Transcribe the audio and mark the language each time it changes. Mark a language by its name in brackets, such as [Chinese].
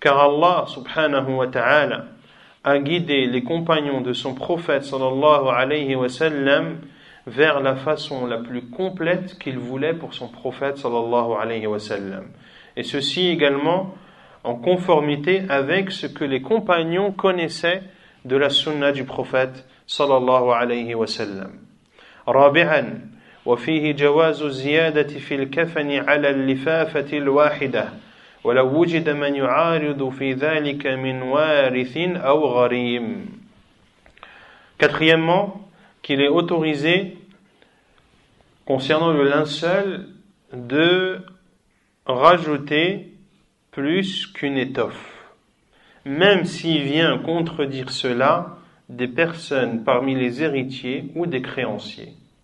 [French] Car Allah subhanahu wa ta'ala a guidé les compagnons de son prophète sallallahu alayhi wa sallam vers la façon la plus complète qu'il voulait pour son prophète sallallahu alayhi wa sallam. Et ceci également en conformité avec ce que les compagnons connaissaient de la sunna du prophète sallallahu alayhi wa sallam. [Arabic] Rabi'an, وفيه جواز الزيادة في الكفن على اللفافة الواحدة ولو وجد من يعارض في ذلك من وارث أو غريم. [French] Quatrièmement, qu'il est autorisé concernant le linceul de rajouter plus qu'une étoffe, même s'il vient contredire cela des personnes parmi les héritiers ou des créanciers.